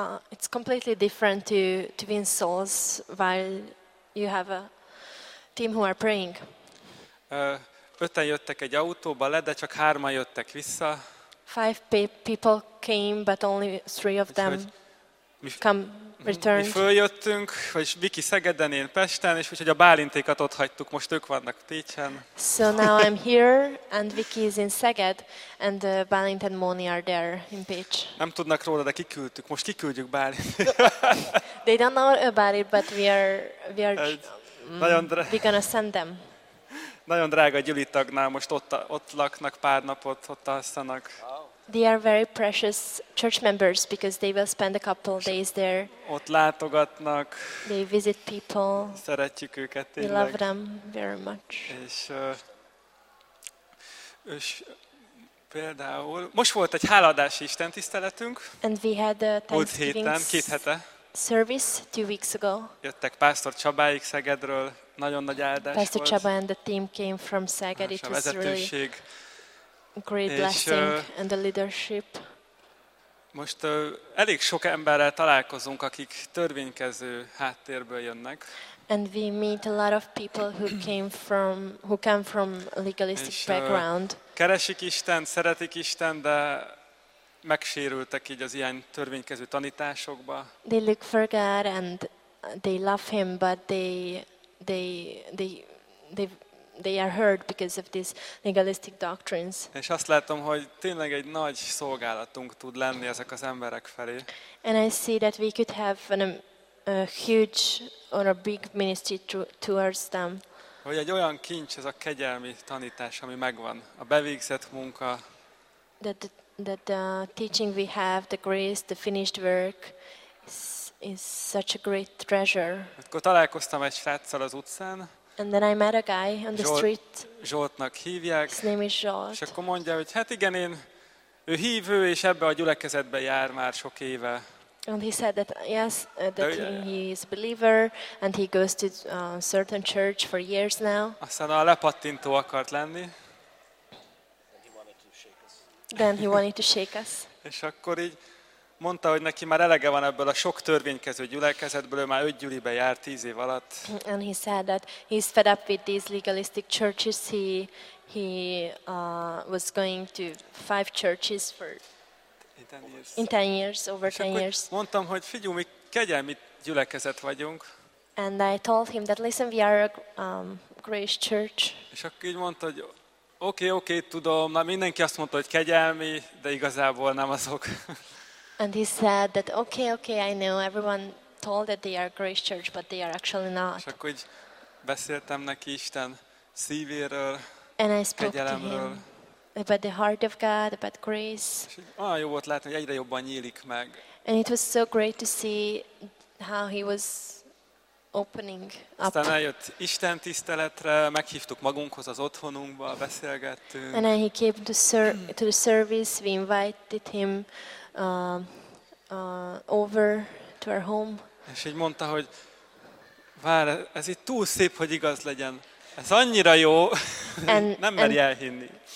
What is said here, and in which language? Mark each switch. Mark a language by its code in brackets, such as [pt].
[en] It's completely different to win souls while you have a team who are praying. [hu] Ötten jöttek egy autóba le, de csak hárman jöttek vissza. [en] Five people came, but only three of them returned. [hu] Mi följöttünk, vagy Viki Szegeden, én Pesten, és úgyhogy a Bálintékat ott hagytuk, most ők vannak Pécsen. [en] So now I'm here, and Viki is in Szeged, and Bálint and Móni are there in Pécs. [hu] Nem tudnak róla, de kiküldtük. Most kiküldjük Bálint. [en] They don't know about it, but we're gonna send them. [hu] Nagyon drága Gyuli tagnál most ott laknak pár napot, ott alszanak. [en] They are very precious church members because they will spend a couple days there. [hu] Ott látogatnak. [en] They visit people. [hu] Szeretjük őket tényleg. [en] We love them very much. [hu] És például most volt egy háladási Isten tiszteletünk. [en] And we had [hu] két hete. [en] Service 2 weeks ago. [hu] Jöttek Pásztor Csabáik Szegedről, nagyon nagy áldás [en] Pastor [hu] volt. [en] Pastor Csaba and the team came from Szeged. It was really great blessing and the leadership. [hu] Most elég sok emberrel találkozunk, akik törvénykező háttérből jönnek. [en] And we meet a lot of people who come from legalistic background. [hu] Keresik Istent, szeretik Istent, de megsérültek így az ilyen törvénykező tanításokba. [en] They look for God and they love him, but they are hurt because of these legalistic doctrines. [hu] És azt látom, hogy tényleg egy nagy szolgálatunk tud lenni ezek az emberek felé. [en] And I see that we could have a huge or a big ministry towards them. [hu] Hogy egy olyan kincs ez a kegyelmi tanítás, ami megvan, a bevégzett munka. [en] That the teaching we have, the grace, the finished work is such a great treasure. [hu] Akkor találkoztam egy fráccal az utcán. [en] And then I met a guy on the street. [hu] Zsoltnak hívják. [en] His name is Zsolt. [hu] És akkor mondja, hogy hát igen, ő hívő, és ebbe a gyülekezetbe jár már sok éve. [en] And he said that yes, that he is a believer and he goes to a certain church for years now. [hu] Aztán a lepattintó akart lenni. [en] Then he wanted to shake us. [hu] És akkor így mondta, hogy neki már elege van ebből a sok törvénykező gyülekezetből, ő már 5 gyülibe jár 10 év alatt. [en] And he said that he's fed up with these legalistic churches. He was going to 5 churches for 10 years, over 10 years. [hu] Mondtam, hogy figyelj, mi kegyelmi gyülekezet vagyunk. [en] And I told him that listen, we are a grace church. [hu] És akkor így mondta, hogy okay, tudom, na mindenki azt mondta, hogy kegyelmi, de igazából nem azok. [en] And he said that okay, I know everyone told that they are grace church, but they are actually not. [hu] És akkor így beszéltem neki Isten szívéről, [en] and I spoke [hu] kegyelemről. [en] To him about the heart of God, about grace. [hu] Ah, jó volt látni, hogy egyre jobban nyílik meg. [en] And it was so great to see how he was opening up. [hu] Aztán eljött Isten tiszteletre, meghívtuk magunkhoz az otthonunkba, beszélgettünk. [en] And then he came to the service, we invited him over to our home. [hu] És így mondta, hogy vár, ez itt túl szép, hogy igaz legyen. Ez annyira jó, nem meri elhinni.